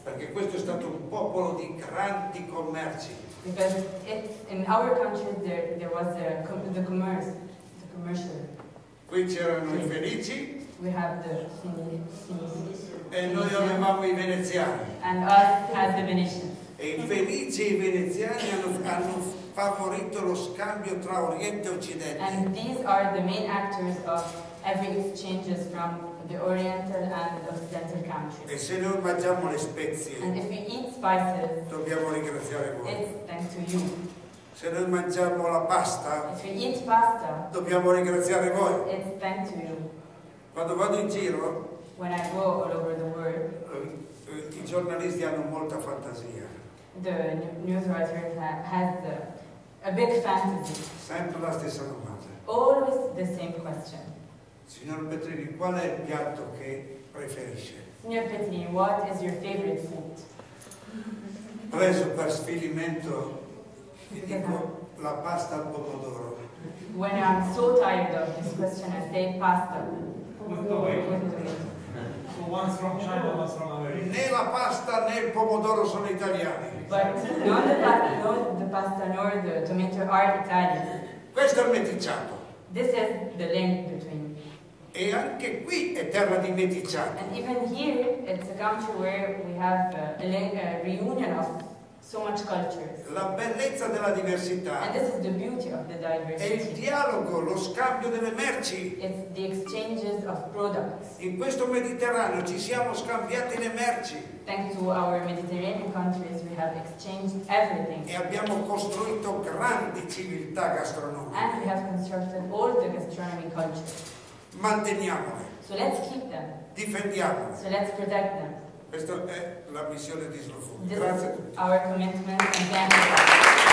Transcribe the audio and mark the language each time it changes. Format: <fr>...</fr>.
<it>Perché questo è stato un popolo di grandi commerci.</it> <en>Because in our country there was the commercial.</en> <it>Qui c'erano i Fenici.</it> <en>We have the Fenici.</en> <it>E noi avevamo i Veneziani.</it> <en>And us had the Venetians.</en> <it>E i Fenici e i Veneziani hanno favorito lo scambio tra Oriente e Occidente.</it> <en>And these are the main actors of every exchanges from the Oriental and Occidental countries.</en> <it>E se noi mangiamo le spezie,</it> <en>and if we eat spices,</en> <it>dobbiamo ringraziare voi.</it> <en>It's thanks to you.</en> <it>Se noi mangiamo la pasta,</it> <en>if we eat pasta,</en> <it>dobbiamo ringraziare voi.</it> <en>It's thanks to you.</en> <it>Quando vado in giro,</it> <en>when I go all over the world,</en> <it>I giornalisti hanno molta fantasia.</it> <en>The news writers have a big fantasy.</en> <it>Sempre la stessa domanda.</it> <en>Always the same question.</en> <it>Signor Petrini, qual è il piatto che preferisce?</it> <en>Signor Petrini, what is your favorite food?</en> <it>Preso per sfinimento, gli dico la pasta al pomodoro.</it> <en>When I'm so tired of this question, I say pasta. So one's from China, one's from America.</en> <it>Né la pasta né il pomodoro sono italiani.</it> <en>But not the pasta nor the tomato are Italian.</en> <it>Questo è il meticciato.</it> <en>This is the link between.</en> <it>E anche qui è terra di meticciato.</it> <en>And even here it's a country where we have a reunion of so much cultures.</en> <it>La bellezza della diversità.</it> <en>And this is the beauty of the diversity.</en> <it>E il dialogo, lo scambio delle merci.</it> <en>It's the exchanges of products.</en> <it>In questo Mediterraneo ci siamo scambiati le merci.</it> <en>Thanks to our Mediterranean countries we have exchanged everything.</en> <it>E abbiamo costruito grandi civiltà gastronomiche.</it> <en>And we have constructed all the gastronomy cultures.</en> <it>Manteniamole.</it> <en>So let's keep them.</en> <it>Difendiamole.</it> <en>So let's protect them.</en> <it>Questa è la missione di Slow Food.</it> <en>This</en> <it>grazie</it> <en>is our commitment and thank you.</en>